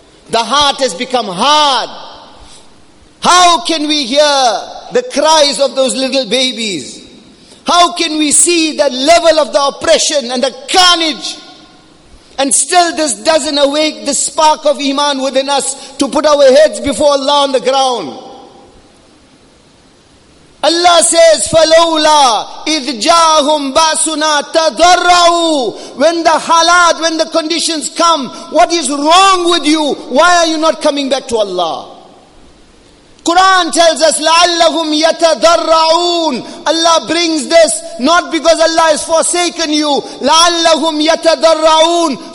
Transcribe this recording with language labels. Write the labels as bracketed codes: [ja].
[en] The heart has become hard. How can we hear the cries of those little babies? How can we see the level of the oppression and the carnage? And still this doesn't awake the spark of iman within us to put our heads before Allah on the ground. Allah says, [ar] فَلَوْلَا إِذْ جَاهُمْ بَأْسُنَا تَضَرَّعُوا. [en] When the halat, when the conditions come, what is wrong with you? Why are you not coming back to Allah? Quran tells us, [ar] لَعَلَّهُمْ يَتَذَرَّعُونَ. [en] Allah brings this, not because Allah has forsaken you. [ar] لَعَلَّهُمْ يَتَذَرَّعُونَ.